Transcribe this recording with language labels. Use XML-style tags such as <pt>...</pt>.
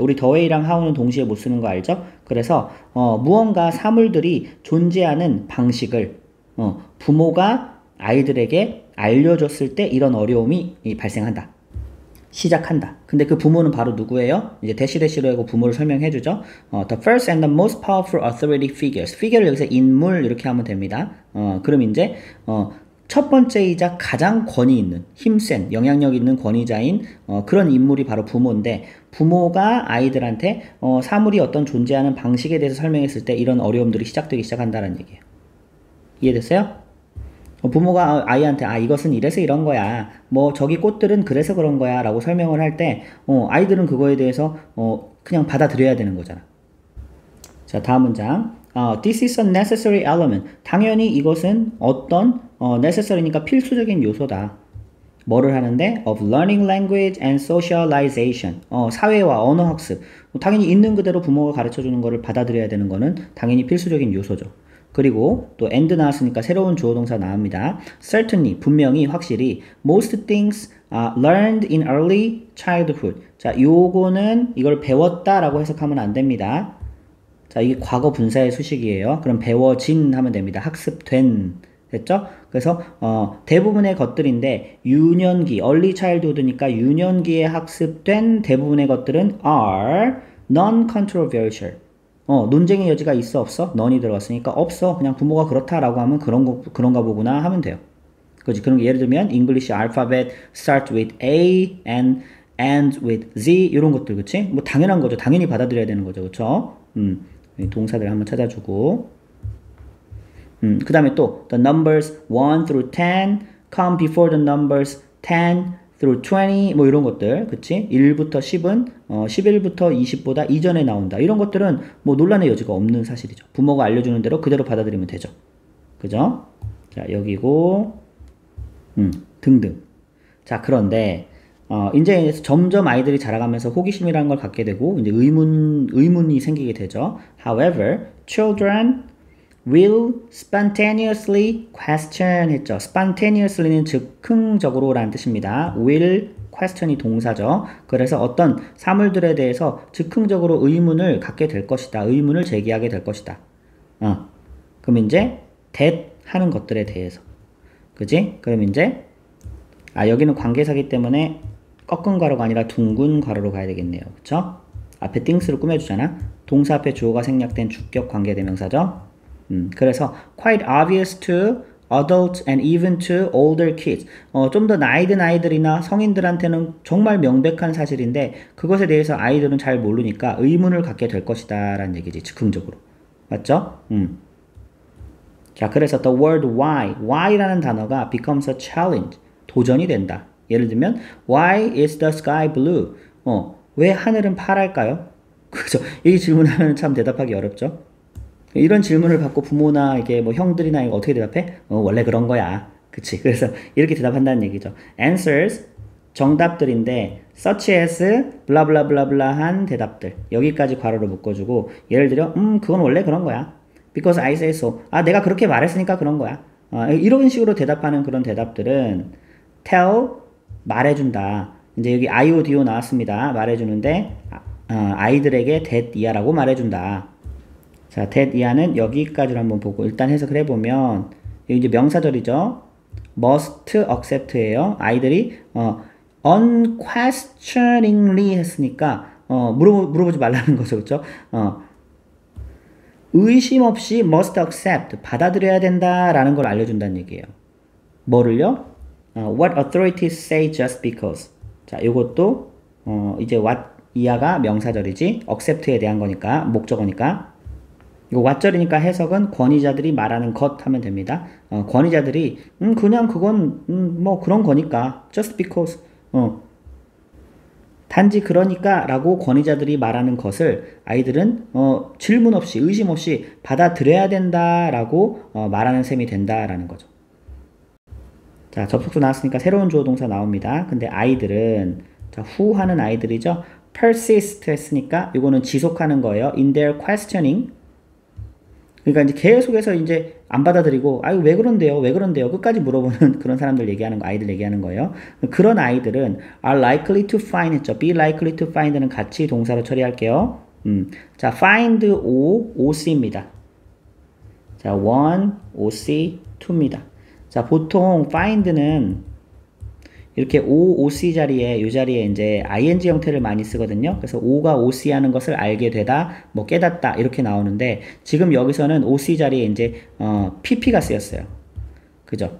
<ko>우리</ko> <en>the way</en> <ko>랑 how는 동시에 못 쓰는 거 알죠? 그래서 무언가 사물들이 존재하는 방식을 부모가 아이들에게 알려줬을 때 이런 어려움이 발생한다. 시작한다. 근데 그 부모는 바로 누구예요? 이제 대시대시로 하고 부모를 설명해 주죠.</ko> <en>The first and the most powerful authority figures.</en> <ko>figure를 여기서 인물 이렇게 하면 됩니다. 그럼 이제 첫 번째이자 가장 권위 있는, 힘센, 영향력 있는 권위자인 그런 인물이 바로 부모인데, 부모가 아이들한테 사물이 어떤 존재하는 방식에 대해서 설명했을 때 이런 어려움들이 시작되기 시작한다는 얘기예요. 이해됐어요? 부모가 아이한테 아 이것은 이래서 이런 거야, 뭐 저기 꽃들은 그래서 그런 거야라고 설명을 할 때, 아이들은 그거에 대해서 그냥 받아들여야 되는 거잖아. 자, 다음 문장.</ko> <en>This is a necessary element.</en> <ko>당연히 이것은 어떤 necessary니까 필수적인 요소다. 뭐를 하는데?</ko> <en>Of learning language and socialization.</en> <ko>사회와 언어 학습. 당연히 있는 그대로 부모가 가르쳐 주는 거를 받아들여야 되는 거는 당연히 필수적인 요소죠. 그리고 또 and 나왔으니까 새로운 주어 동사 나옵니다. Certainly, 분명히, 확실히.</ko> <en>Most things are learned in early childhood.</en> <ko>자, 요거는 이걸 배웠다라고 해석하면 안 됩니다. 자, 이게 과거 분사의 수식이에요. 그럼 배워진 하면 됩니다. 학습된. 됐죠? 그래서 대부분의 것들인데 유년기,</ko> <en>early childhood</en> <ko>니까 유년기에 학습된 대부분의 것들은</ko> <en>are non-controversial.</en> <ko>논쟁의 여지가 있어 없어? non이 들어갔으니까 없어. 그냥 부모가 그렇다라고 하면 그런가 보구나 하면 돼요. 그렇지? 그럼 예를 들면</ko> <en>English alphabet start with A and end with Z</en> <ko>이런 것들, 그렇지? 뭐 당연한 거죠. 당연히 받아들여야 되는 거죠. 그렇죠? 동사들 한번 찾아주고. 그다음에 또</ko> <en>the numbers 1 through 10 come before the numbers 10 through 20</en> <ko>뭐 이런 것들, 그치? 1부터 10은 11부터 20보다 이전에 나온다. 이런 것들은 뭐 논란의 여지가 없는 사실이죠. 부모가 알려주는 대로 그대로 받아들이면 되죠. 그죠? 자, 여기고 등등. 자, 그런데 이제 점점 아이들이 자라가면서 호기심이라는 걸 갖게 되고, 이제 의문이 생기게 되죠.</ko> <en>However, children will spontaneously question</en> <ko>했죠. spontaneously는 즉흥적으로라는 뜻입니다.</ko> <en>will question</en> <ko>이 동사죠. 그래서 어떤 사물들에 대해서 즉흥적으로 의문을 갖게 될 것이다. 의문을 제기하게 될 것이다. 그럼 이제 that 하는 것들에 대해서. 그지? 그럼 이제, 여기는 관계사기 때문에 꺾은 괄호가 아니라 둥근 괄호로 가야 되겠네요. 그쵸? 앞에 things를 꾸며주잖아. 동사 앞에 주어가 생략된 주격 관계대명사죠. 그래서</ko> <en>quite obvious to adults and even to older kids.</en> <ko>좀더 나이든 아이들이나 성인들한테는 정말 명백한 사실인데, 그것에 대해서 아이들은 잘 모르니까 의문을 갖게 될 것이다 라는 얘기지. 즉흥적으로. 맞죠? 자, 그래서</ko> <en>the word why. why</en> <ko>라는 단어가</ko> <en>becomes a challenge.</en> <ko>도전이 된다.</ko> <en>예를 들면, why is the sky blue?</en> <ko>왜 하늘은 파랄까요? 그죠? 이 질문하면 참 대답하기 어렵죠? 이런 질문을 받고 부모나 이게 뭐 형들이나 이거 어떻게 대답해? 원래 그런 거야. 그치? 그래서 이렇게 대답한다는 얘기죠. Answers, 정답들인데,</ko> <en>such as,</en> <ko>블라블라블라블라한 대답들. 여기까지 괄호로 묶어주고, 예를 들어, 그건 원래 그런 거야.</ko> <en>Because I say so.</en> <ko>아, 내가 그렇게 말했으니까 그런 거야. 이런 식으로 대답하는 그런 대답들은 tell, 말해준다. 이제 여기 I, O, D, O 나왔습니다. 말해주는데 아이들에게 that, 이하라고 말해준다. 자, that, 이하는 여기까지로 한번 보고 일단 해석을 해보면 이제 명사절이죠.</ko> <en>must accept</en> <ko>예요. 아이들이 unquestioningly 했으니까 물어보지 말라는 거죠, 그렇죠? 의심 없이</ko> <en>must accept,</en> <ko>받아들여야 된다라는 걸 알려준다는 얘기예요. 뭐를요?</ko> <en>What authorities say just because.</en> <ko>자, 이것도 이제 what 이하가 명사절이지, accept에 대한 거니까, 목적어니까. 이거 what절이니까 해석은 권위자들이 말하는 것 하면 됩니다. 권위자들이 그냥 그건 뭐 그런 거니까,</ko> <en>just because.</en> <ko>단지 그러니까라고 권위자들이 말하는 것을 아이들은 질문 없이 의심 없이 받아들여야 된다라고 말하는 셈이 된다라는 거죠. 자, 접속사 나왔으니까 새로운 주어 동사 나옵니다. 근데 아이들은 자, who 하는 아이들이죠. persist 했으니까 이거는 지속하는 거예요.</ko> <en>in their questioning.</en> <ko>그러니까 이제 계속해서 이제 안 받아들이고 아유 왜 그런데요? 왜 그런데요? 끝까지 물어보는 그런 사람들 얘기하는 거 아이들 얘기하는 거예요. 그런 아이들은</ko> <en>are likely to find</en> <ko>했죠.</ko> <en>be likely to find</en> <ko>는 같이 동사로 처리할게요. 자, find OC입니다. 자, one OC two입니다. 자, 보통 find는 이렇게 OC 자리에 요 자리에 이제 ing 형태를 많이 쓰거든요. 그래서 O가 OC 하는 것을 알게 되다, 뭐 깨닫다 이렇게 나오는데 지금 여기서는 OC 자리에 이제 PP가 쓰였어요. 그죠?</ko>